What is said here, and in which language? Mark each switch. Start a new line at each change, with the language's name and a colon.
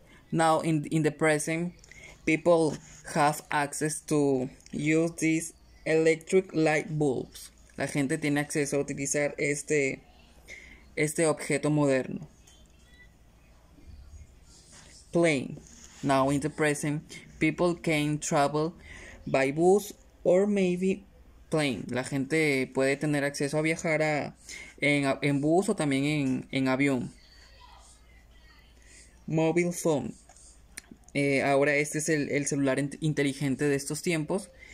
English: Now, in the present, people have access to use these electric light bulbs.
Spanish: La gente tiene acceso a utilizar este objeto moderno.
English: Plane. Now in the present, people can travel by bus or maybe plane.
Spanish: La gente puede tener acceso a viajar en bus o también en avión. Mobile phone. Ahora este es el celular inteligente de estos tiempos.